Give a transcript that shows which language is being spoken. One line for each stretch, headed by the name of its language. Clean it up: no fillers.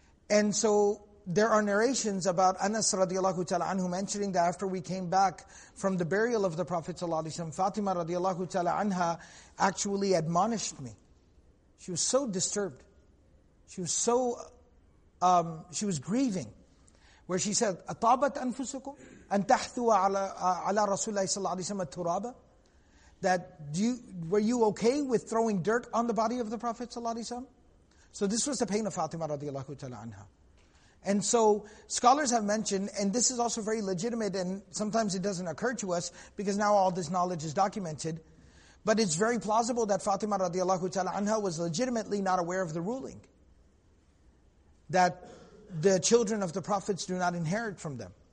English: And so there are narrations about Anas radiallahu ta'ala anhu mentioning that after we came back from the burial of the Prophet sallallahu alaihi wasallam, Fatima radiallahu ta'ala anha actually admonished me. She was so disturbed. She was so, she was grieving. Where she said,
Arabic: أَطَابَتْ أَنفُسُكُمْ أَن تَحْثُوَ عَلَى رَسُولَ اللَّهِ صَلَّى اللَّهِ عَلَيْهِ وَسَلَّمَ التُّرَابَ.
English: That, were you okay with throwing dirt on the body of the Prophet sallallahu alaihi wasallam? So this was the pain of Fatima radiallahu ta'ala anha. And so scholars have mentioned, and this is also very legitimate, and sometimes it doesn't occur to us because now all this knowledge is documented, but it's very plausible that Fatima radiallahu ta'ala anha was legitimately not aware of the ruling, that the children of the prophets do not inherit from them.